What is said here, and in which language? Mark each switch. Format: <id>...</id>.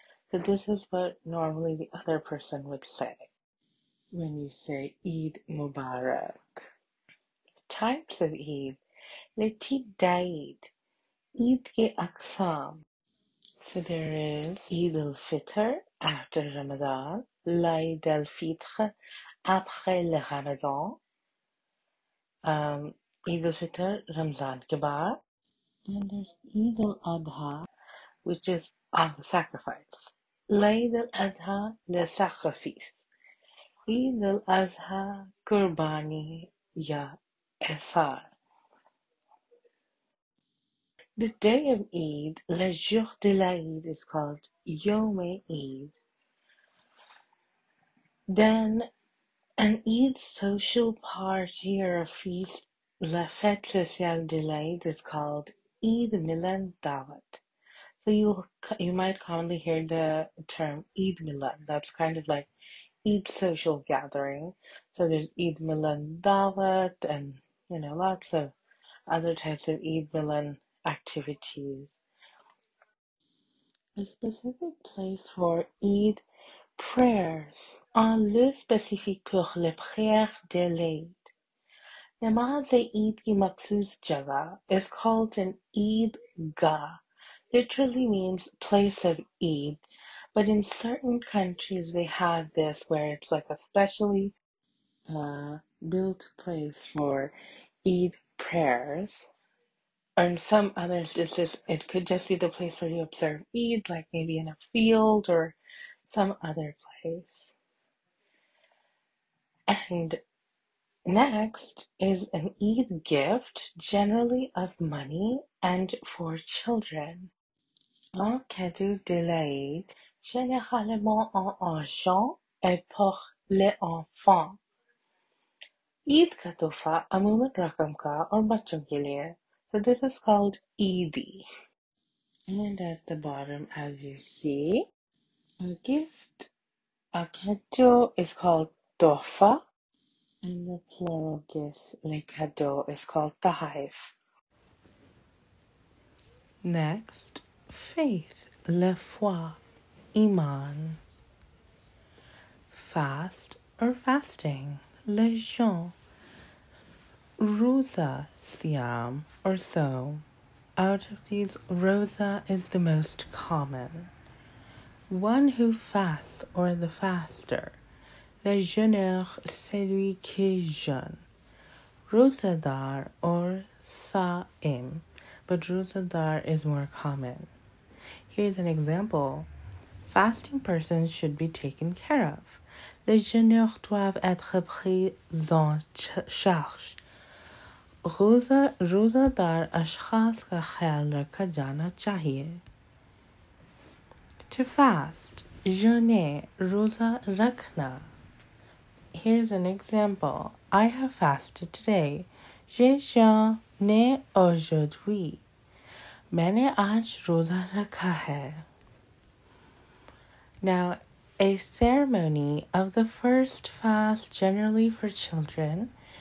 <en>So this is what normally the other person would say when you say Eid Mubarak. Types of Eid.</en> <fr>Les types d'Eid.</fr> <ur>Eid ke aqsam.</ur> <en>So there is Eid al-Fitr after Ramadan.</en> <fr>L'Eid al-Fitr après le Ramadan.</fr> <ur>Eid al-Fitr Ramzaan ke baad.</ur> <en>Then there's Eid al-Adha, which is sacrifice.</en> <fr>L'Eid al-Adha, le sacrifice. Eid al-Adha,</fr> <ur>kurbani, ya, esar.</ur> <en>The day of Eid,</en> <fr>le jour de l'Eid,</fr> <en>is called Yom Eid. Then, an Eid social party or a feast,</en> <fr>la fête sociale de l'Eid,</fr> <en>is called Eid Milan Dawat. So you might commonly hear the term Eid Milan. That's kind of like Eid social gathering. So there's Eid Milan Dawat, and you know, lots of other types of Eid Milan activities. A specific place for Eid prayers.</en> <fr>Un lieu spécifique pour les prières de l'Eid.</fr> <ur>Namaz Eid ki maksus jaga</ur> <en>is called an Eid Ga. Literally means place of Eid, but in certain countries they have this where it's like a specially built place for Eid prayers. Or in some others, it could just be the place where you observe Eid, like maybe in a field or some other place. And next is an Eid gift, generally of money and for children.</en> <fr>Un cadeau de l'Eid, généralement en argent et pour les enfants.</fr> <ur>عید کا تحفہ عموماً رقم کا اور بچوں کے لیے.</ur> <en>So this is called Eidi. And at the bottom, as you see, a gift, a cadeau, is called tohfa. And the plural gifts, le cadeau, is called tahayf. Next, faith,</en> <fr>la foi,</fr> <en>iman. Fast or fasting,</en> <fr>le jeûne.</fr> <ur>Rosa, siam, or so.</ur> <en>Out of these, rosa is the most common. One who fasts or the faster.</en> <fr>Le jeûneur, celui qui jeûne.</fr> <en>Rosadar or sa'im, but rosadar is more common. Here's an example. Fasting persons should be taken care of.</en> <fr>Les jeûneurs doivent être pris en charge.</fr> <ur>روزادار اشخاص کا خیال رکھا جانا چاہیے.</ur> <en>To fast,</en> <fr>jeûner,</fr> <ur>روزہ رکھنا.</ur> <en>Here's an example. I have fasted today.</en> <fr>J'ai jeûné aujourd'hui.</fr> <ur>میں نے آج روزہ رکھا ہے.</ur> <en>Now, a ceremony of the first fast, generally for children.</en>